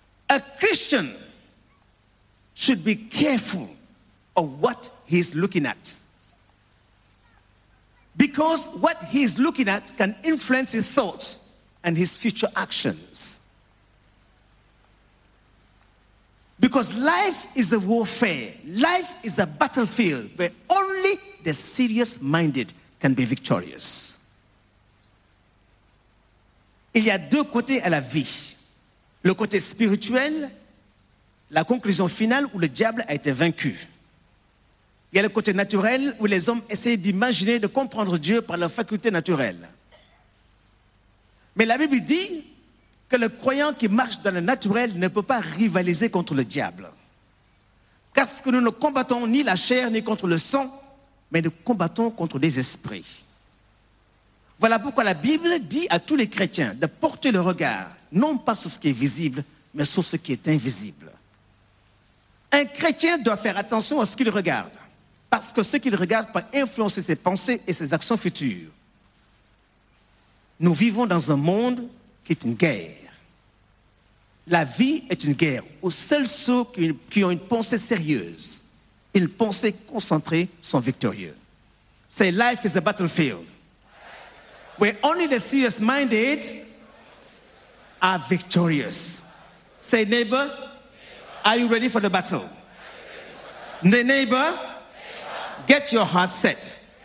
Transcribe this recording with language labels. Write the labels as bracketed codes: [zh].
[en] A Christian should be careful of what he's looking at, because what he's looking at can influence his thoughts and his future actions. Because life is a warfare. Life is a battlefield where only the serious-minded can be victorious. [fr] Il y a deux côtés à la vie. Le côté spirituel, la conclusion finale où le diable a été vaincu. Il y a le côté naturel où les hommes essayent d'imaginer, de comprendre Dieu par leur faculté naturelle. Mais la Bible dit que le croyant qui marche dans le naturel ne peut pas rivaliser contre le diable. Car ce que nous ne combattons ni la chair ni contre le sang, mais nous combattons contre des esprits. Voilà pourquoi la Bible dit à tous les chrétiens de porter le regard, non pas sur ce qui est visible, mais sur ce qui est invisible. Un chrétien doit faire attention à ce qu'il regarde, parce que ce qu'il regarde peut influencer ses pensées et ses actions futures. Nous vivons dans un monde qui est une guerre. La vie est une guerre où seuls ceux qui ont une pensée sérieuse, une pensée concentrée, sont victorieux. [en] Say, life is a battlefield where only the serious-minded are victorious. Say, neighbor, are you ready for the battle? Neighbor, get your heart set.